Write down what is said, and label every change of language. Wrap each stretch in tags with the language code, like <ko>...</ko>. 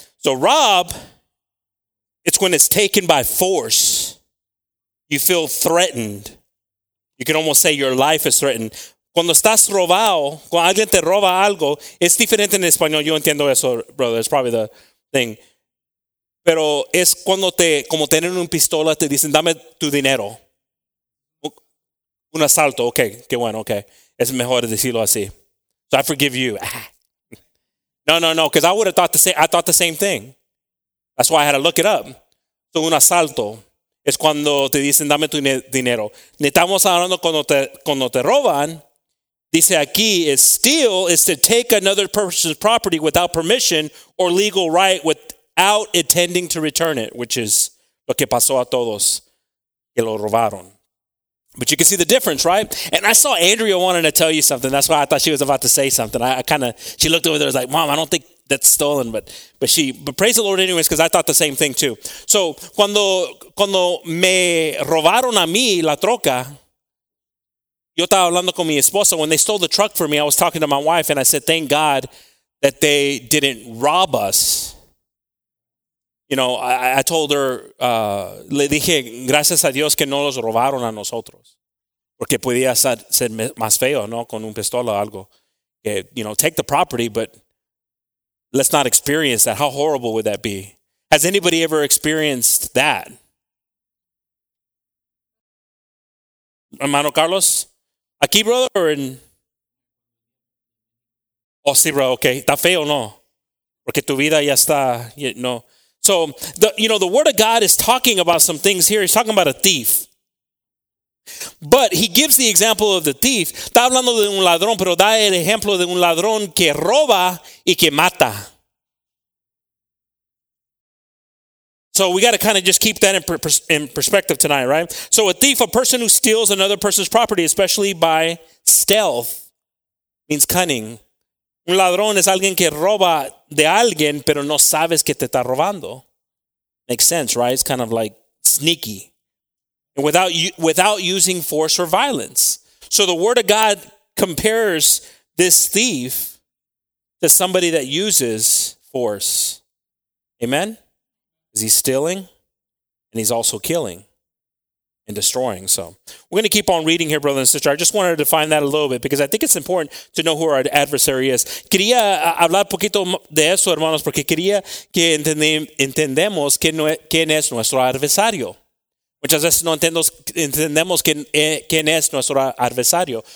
<en>So rob, it's when it's taken by force. You feel threatened. You can almost say your life is threatened.</en> <es>Cuando estás robado, cuando alguien te roba algo, es diferente en español. Yo entiendo eso, brother.</es> <en>It's probably the thing.</en> <es>Pero es cuando te, como tener un pistola, te dicen, dame tu dinero. Un asalto. Okay, qué bueno, okay. Es mejor decirlo así.</es> <en>So I forgive you. No, because I would have thought the same thing. That's why I had to look it up.</en> <es>So un asalto. Es cuando te dicen, dame tu dinero. Estamos hablando cuando te roban. Dice aquí,</es> <en>is steal is to take another person's property without permission or legal right without intending to return it, which is</en> <es>lo que pasó a todos que lo robaron.</es> <en>But you can see the difference, right? And I saw Andrea wanting to tell you something. That's why I thought she was about to say something. She looked over there and was like, Mom, I don't think that's stolen, but praise the Lord anyways, because I thought the same thing too.</en> <es>So cuando me robaron a mí la troca, yo estaba hablando con mi esposa.</es> <en>When they stole the truck for me, I was talking to my wife and I said, thank God that they didn't rob us. You know, I told her,</en> <es>le dije, gracias a Dios que no los robaron a nosotros. Porque podía ser más feo, ¿no? Con un pistola o algo.</es> <en>You know, take the property, but let's not experience that. How horrible would that be? Has anybody ever experienced that?</en> <es>Hermano Carlos? Aquí,</es> <en>brother, or in?</en> <es>Oh, sí, bro. Okay. ¿Está feo o no? Porque tu vida ya está, you know.</es> <en>So, the Word of God is talking about some things here. He's talking about a thief. But he gives the example of the thief.</en> <es>Está hablando de un ladrón, pero da el ejemplo de un ladrón que roba y que mata.</es> <en>So we got to kind of just keep that in perspective tonight, right? So a thief, a person who steals another person's property, especially by stealth, means cunning.</en> <es>Un ladrón es alguien que roba de alguien, pero no sabes que te está robando.</es> <en>Makes sense, right? It's kind of like sneaky. And without using force or violence. So the Word of God compares this thief to somebody that uses force. Amen? Is he stealing? And he's also killing and destroying. So we're going to keep on reading here, brother and sister. I just wanted to define that a little bit because I think it's important to know who our adversary is.</en> <es>Quería hablar poquito de eso, hermanos, porque quería que entendemos quién es nuestro adversario. Muchas veces no entendemos quién es nuestro adversario.</es>